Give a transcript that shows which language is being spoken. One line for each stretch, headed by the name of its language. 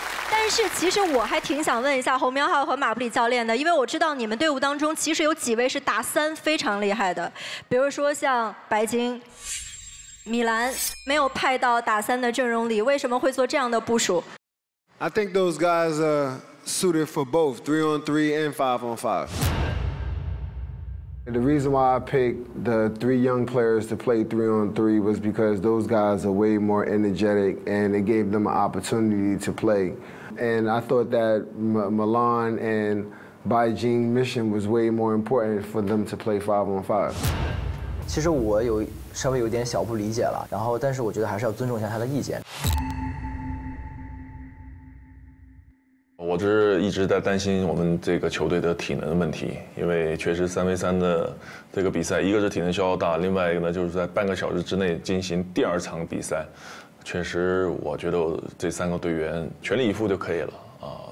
Chinese: 但是其实我还挺想问一下侯明浩和马布里教练的，因为我知道你们队伍当中其实有几位是打三非常厉害的，比如说像白金、米兰没有派到打三的阵容里，为什么会做这样的部署？
English: I think those guys are suited for both 3-on-3 and 5-on-5. The reason why I picked the three young players to play 3-on-3 was because those guys are way more energetic and it gave them an opportunity to play. And I thought that Milan and Baijing's mission was way more important for them to play 5-on-5.
Chinese: 其实我有稍微有点小不理解了，然后但是我觉得还是要尊重一下他的意见。我这一直在担心我们这个球队的体能问题，因为确实三 v 三的这个比赛，一个是体能消耗大，另外一个呢就是在半个小时之内进行第二场比赛，确实我觉得这三个队员全力以赴就可以了啊。